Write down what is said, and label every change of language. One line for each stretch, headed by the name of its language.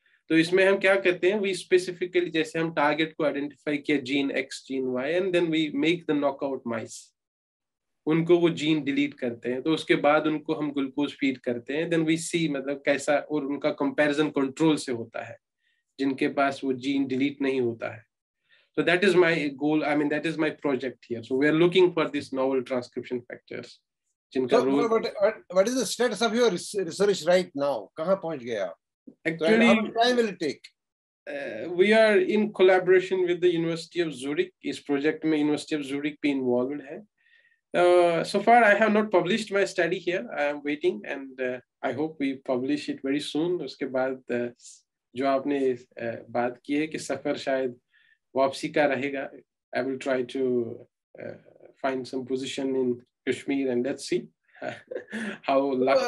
Hindi: तो इसमें हम क्या करते हैं,
English: we specifically
Hindi: जैसे हम टारगेट को आइडेंटिफाई किया, gene x, gene Y,
English: and then we make the knockout mice,
Hindi: उनको वो जीन डिलीट करते हैं, तो उसके बाद उनको हम ग्लूकोज फीड करते हैं,
English: then we see
Hindi: मतलब कैसा, और उनका कंपैरिजन कंट्रोल से होता है जिनके पास वो जीन डिलीट नहीं होता है.
English: So that is my goal, I mean that is my project here. So we are looking for this novel transcription factors
Hindi: जिनका role.
English: what is the status of your research right now,
Hindi: कहां पहुंच गया?
English: Actually how time will it take? We are in collaboration with the University of Zurich.
Hindi: इस project में University of Zurich भी involved है.
English: So far, I have not published my study here. I am waiting, and I hope we publish it very soon.
Hindi: उसके बाद जो आपने बात की है कि सफर शायद वापसी का रहेगा,
English: I will try to find some position in Kashmir, and let's see how luck.